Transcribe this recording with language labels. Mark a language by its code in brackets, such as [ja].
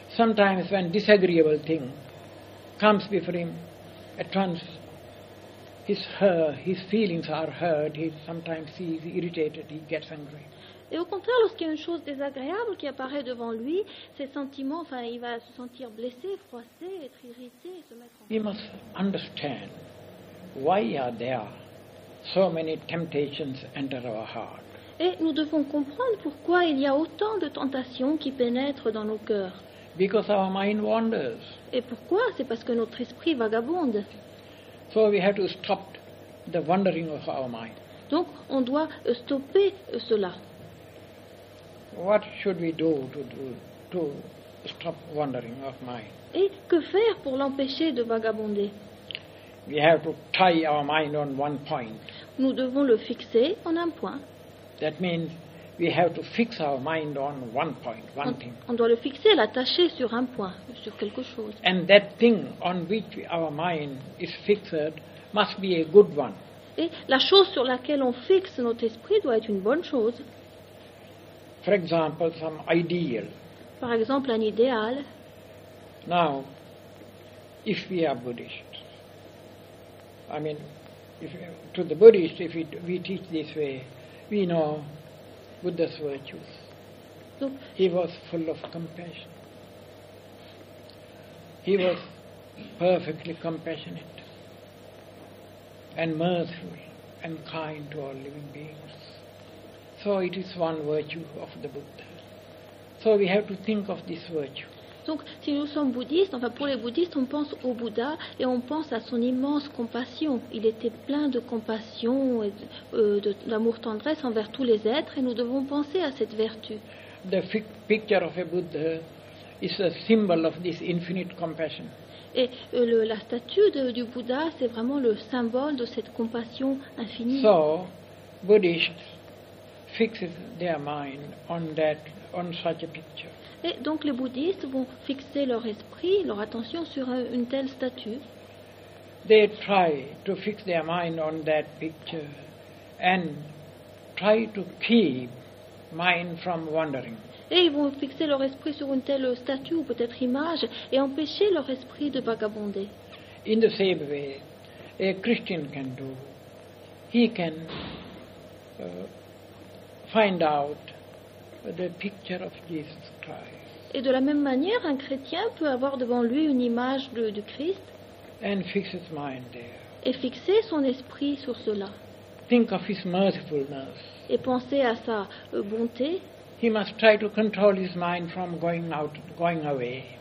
[en] Sometimes when disagreeable thing comes before him, at once his feelings are hurt. He sometimes sees irritated. He gets angry. [fr] Et au contraire, lorsqu'il y a une chose désagréable qui apparaît devant lui, ses sentiments, enfin, il va se sentir blessé, froissé, être irrité, et se mettre en colère. [en] We must understand why are there so many temptations enter our heart. [fr] Et nous devons comprendre pourquoi il y a autant de tentations qui pénètrent dans nos cœurs. [en] Because our mind wanders. [fr] Et pourquoi? C'est parce que notre esprit vagabonde. [en] So we have to stop the wandering of our mind. [fr] Donc, on doit stopper cela. [en] What should we do to stop wandering of mind? [fr] Et que faire pour l'empêcher de vagabonder? [en] We have to tie our mind on one point. [fr] Nous devons le fixer en un point. [en] That means we have to fix our mind on one point, one thing. [fr] On doit le fixer, l'attacher sur un point, sur quelque chose. [en] And that thing on which our mind is fixed must be a good one. [fr] Et la chose sur laquelle on fixe notre esprit doit être une bonne chose. [en] For example, some ideal. [fr] Par exemple, un idéal. [en] Now, if we are Buddhists, I mean, if, to the Buddhists, if it, we teach this way, we know Buddha's virtues. [fr] Donc, [en] he was full of compassion. He was perfectly compassionate and merciful and kind to all living beings. So it is one virtue of the Buddha. So we have to think of this virtue. [fr] Donc, si nous sommes bouddhistes, enfin pour les bouddhistes, on pense au Bouddha et on pense à son immense compassion. Il était plein de compassion et d'amour tendresse envers tous les êtres, et nous devons penser à cette vertu. [en] The picture of a Buddha is a symbol of this infinite compassion. [fr] Et la statue du Bouddha, c'est vraiment le symbole de cette compassion infinie. [en] So, Buddhists fixes their mind on that, on such a picture. [fr] Et donc les bouddhistes vont fixer leur esprit, leur attention sur une telle statue. [en] They try to fix their mind on that picture and try to keep mind from wandering. [fr] Et ils vont fixer leur esprit sur une telle statue ou peut-être image et empêcher leur esprit de vagabonder. [en] In the same way, a Christian can do. He can find out the picture of Jesus Christ. [fr] Et de la même manière, un chrétien peut avoir devant lui une image de Christ. [en] And fix his mind there. [fr] Et fixer son esprit sur cela. [en] Think of his mercifulness. [fr] Et penser à sa bonté. [en] He must try to control his mind from going away.